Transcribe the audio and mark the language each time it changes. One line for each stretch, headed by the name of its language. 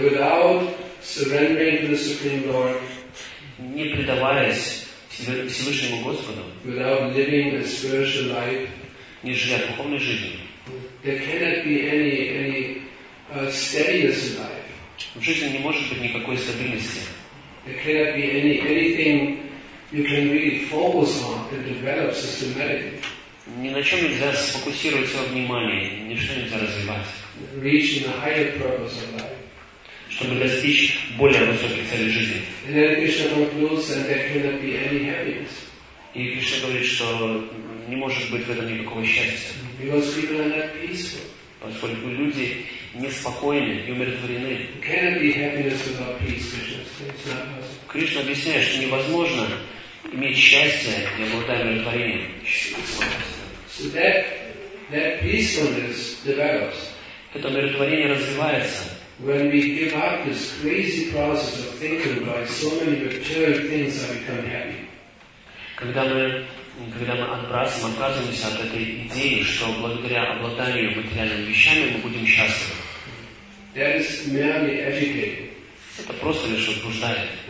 English: Without surrendering to the Supreme Lord,
Russian: не предаваясь Всевышнему Господу,
English: without living a spiritual life,
Russian: не живя духовной жизнью,
English: there cannot be any steadiness in life.
Russian: В жизни не может быть никакой стабильности.
English: There cannot be anything you can really focus on and develop systematically.
Russian: Ни на чем нельзя сфокусировать свое внимание, ничто нельзя развивать.
English: Reaching a higher purpose of life.
Russian: Чтобы достичь более высокой цели жизни.
English: And then Krishna concludes that there cannot be any happiness.
Russian: И Кришна говорит, что не может быть в этом никакого счастья.
English: Because people are not peaceful.
Russian: Поскольку люди неспокойны и умиротворены.
English: Cannot be happiness without peace, Krishna says. It's not possible.
Russian: Кришна объясняет, что невозможно иметь счастье и обладать умиротворением.
English: So that peacefulness develops.
Russian: Это умиротворение развивается.
English: When we give up this crazy process of thinking by so many material things, I become happy.
Russian: Когда мы отказываемся от этой идеи, что благодаря обладанию материальными вещами мы будем счастливы. Это просто лишь возбуждает.